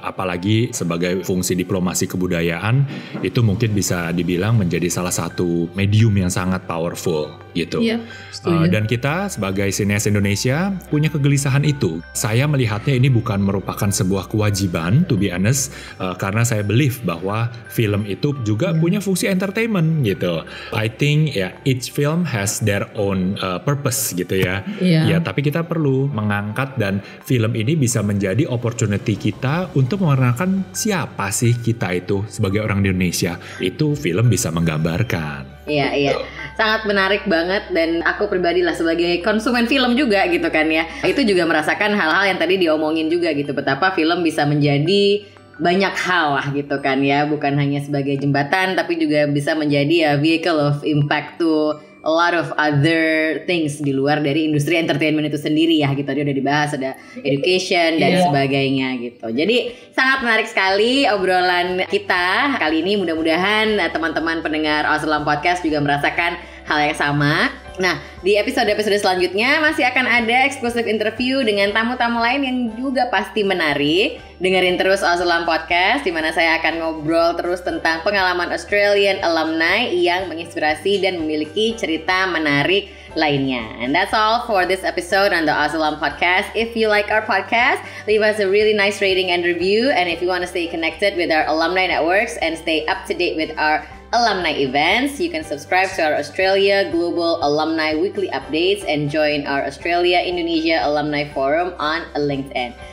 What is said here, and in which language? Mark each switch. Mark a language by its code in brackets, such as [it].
[id] Apalagi sebagai fungsi diplomasi kebudayaan, itu mungkin bisa dibilang menjadi salah satu medium yang sangat powerful gitu. Dan kita sebagai sineas Indonesia punya kegelisahan itu. Saya melihatnya ini bukan merupakan sebuah kewajiban, [en] to be honest, [id] karena saya believe bahwa film itu juga punya fungsi entertainment gitu. [en] I think each film has their own purpose gitu ya. [id] Tapi kita perlu mengangkat, dan film ini bisa menjadi opportunity kita untuk mengenalkan siapa sih kita itu sebagai orang Indonesia. Itu film bisa menggambarkan. Iya. Sangat menarik banget, dan aku pribadi lah sebagai konsumen film juga gitu kan ya. Itu juga merasakan hal-hal yang tadi diomongin juga gitu, betapa film bisa menjadi banyak hal lah gitu kan ya, bukan hanya sebagai jembatan tapi juga bisa menjadi ya [en] vehicle of impact to a lot of other things [id] di luar dari industri entertainment itu sendiri ya gitu. Dia udah dibahas ada education dan sebagainya gitu. Jadi sangat menarik sekali obrolan kita kali ini. Mudah-mudahan teman-teman pendengar OzAlum Podcast juga merasakan hal yang sama. Nah, di episode-episode selanjutnya masih akan ada exclusive interview dengan tamu-tamu lain yang juga pasti menarik. Dengerin terus OzAlum Podcast, di mana saya akan ngobrol terus tentang pengalaman Australian alumni yang menginspirasi dan memiliki cerita menarik lainnya. [en] And that's all for this episode on the OzAlum Podcast. If you like our podcast, leave us a really nice rating and review. And if you want to stay connected with our alumni networks and stay up to date with our alumni events. You can subscribe to our Australia Global Alumni Weekly Updates and join our Australia Indonesia Alumni Forum on LinkedIn.